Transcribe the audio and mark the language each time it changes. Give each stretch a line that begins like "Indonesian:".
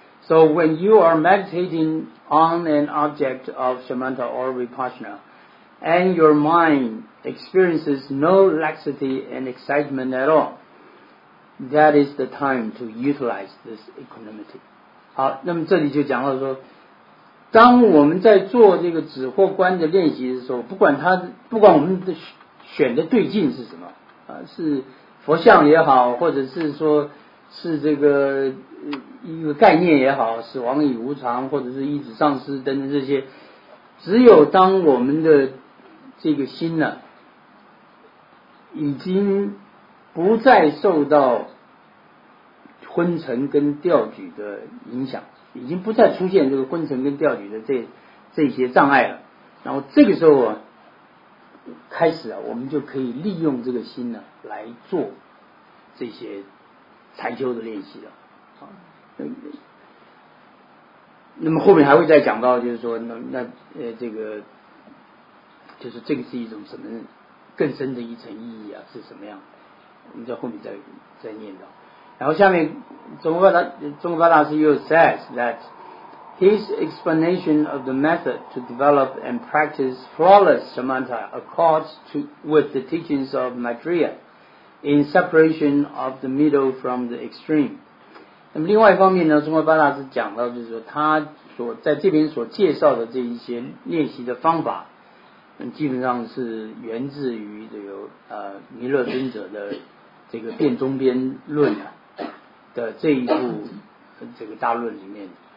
English: So when you are meditating on an object of Samatha or Vipassana, and your mind experiences no laxity and excitement at all, that is the time to utilize this equanimity.
Chinese: 好，那么这里就讲到说，当我们在做这个止或观的练习的时候，不管我们的选的对境是什么，是佛像也好，或者是说是这个一个概念也好，死亡与无常或者是意识丧失等等，这些只有当我们的这个心呢已经不再受到昏沉跟掉举的影响，已经不再出现这个昏沉跟掉举的这些障碍了，然后这个时候啊开始啊，我们就可以利用这个心呢来做这些禅修的练习了。那么后面还会再讲到，就是说这个是一种什么更深的一层意义啊，是什么样，我们在后面再念到。然后下面中国巴大师 又
English: says that his explanation of the method to develop and practice flawless samatha accords with the teachings of Maitreya in separation of the middle from the extreme。
Chinese: 那么另外一方面呢，中国巴大师讲到，就是说他所在这边所介绍的这一些练习的方法，基本上是源自于这个弥勒尊者的这个辩中边论的这一部这个大论里面。